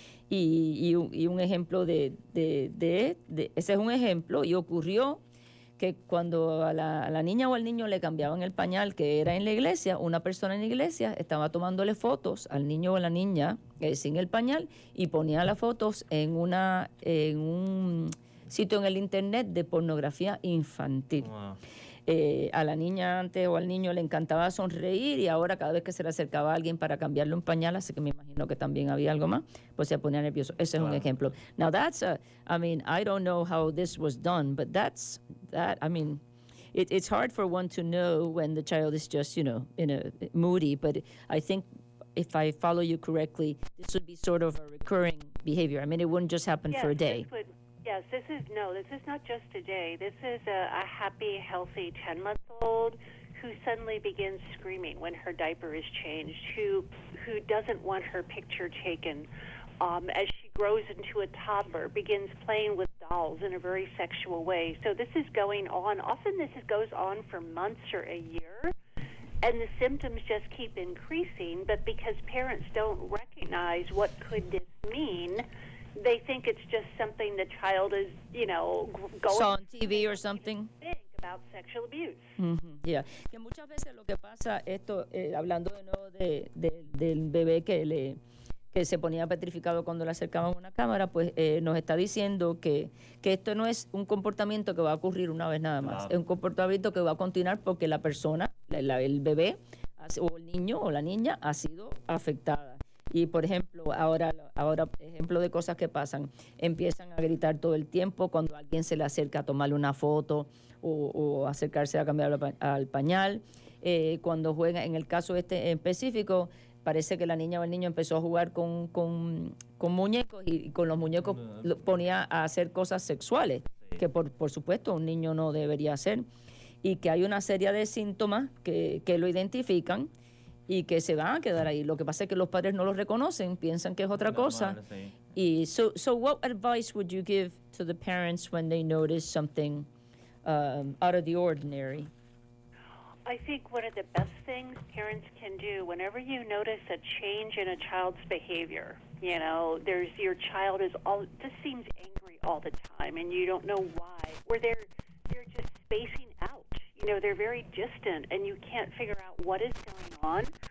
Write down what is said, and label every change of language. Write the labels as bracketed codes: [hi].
[es] Y un ejemplo de ese es un ejemplo, y ocurrió que cuando a la niña o al niño le cambiaban el pañal, que era en la iglesia, una persona en la iglesia estaba tomándole fotos al niño o a la niña sin el pañal y ponía las fotos en un sitio en el internet de pornografía infantil. Wow. A la niña antes o al niño le encantaba sonreír y ahora cada vez que se le acercaba a alguien para cambiarle un pañal, así que me imagino que también había algo más, pues se ponía nervioso. Ese es un ejemplo. [en] Now that's I don't know how this was done, but it's hard for one to know when the child is just, you know, in a moody, but I think if I follow you correctly, this would be sort of a recurring behavior. I mean, it wouldn't just happen for a day. Yes, this is not just a day. This is a happy, healthy 10-month-old who suddenly begins screaming when her diaper is changed, who doesn't want her picture taken. As she grows into a toddler, begins playing with dolls in a very sexual way. So this is going on. Often this goes on for months or a year, and the symptoms just keep increasing. But because parents don't recognize what could this mean, they think it's just something the child is, you know, going on TV or something. Think about sexual abuse. Mm-hmm. Yeah. [es] Que muchas veces lo que pasa esto, hablando de nuevo del bebé que se ponía petrificado cuando le acercaban una cámara, pues nos está diciendo que esto no es un comportamiento que va a ocurrir una vez nada más. Es un comportamiento que va a continuar porque la persona, el bebé, o el niño o la niña, ha sido afectada. Y, por ejemplo, ahora ejemplo de cosas que pasan. Empiezan a gritar todo el tiempo cuando alguien se le acerca a tomarle una foto o acercarse a cambiar al pañal. cuando juega, en el caso este en específico, parece que la niña o el niño empezó a jugar con muñecos y con los muñecos lo ponía a hacer cosas sexuales, que por supuesto un niño no debería hacer, y que hay una serie de síntomas que lo identifican y que se van a quedar ahí. Lo que pasa es que los padres no los reconocen, piensan que es otra cosa. [en] Y so what advice would you give to the parents when they notice something out of the ordinary? I think one of the best things parents can do, whenever you notice a change in a child's behavior, you know, there's your child is all, just seems angry all the time, and you don't know why, or they're just spacing out, you know, they're very distant, and you can't figure out what is going on.